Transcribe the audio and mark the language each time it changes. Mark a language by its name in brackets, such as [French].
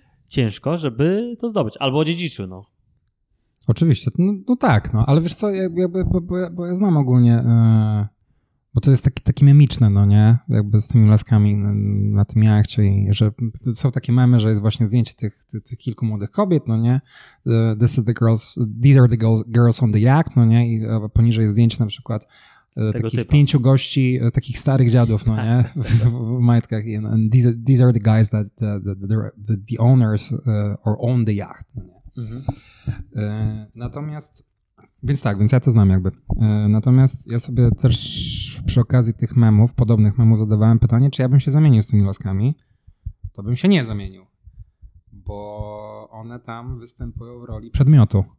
[Polish] ciężko, żeby to zdobyć. Albo odziedziczył, no. Oczywiście. No tak, no. Ale wiesz co, bo ja znam ogólnie, bo to jest takie memiczne, no nie? Jakby z tymi laskami na tym jachcie, że są takie memy, że jest właśnie zdjęcie tych kilku młodych kobiet, no nie? [English] This is the girls, these are the girls on the yacht, [Polish] no nie? I poniżej jest zdjęcie na przykład takich typu. Pięciu gości, takich starych dziadów, no nie, w majtkach. [English] And these are the guys that the owners are on the yacht. [Polish] No nie? Mm-hmm. Natomiast, więc tak, więc ja to znam jakby. Natomiast ja sobie też przy okazji tych memów, podobnych memów zadawałem pytanie, czy ja bym się zamienił z tymi laskami. To bym się nie zamienił, bo one tam występują w roli przedmiotu.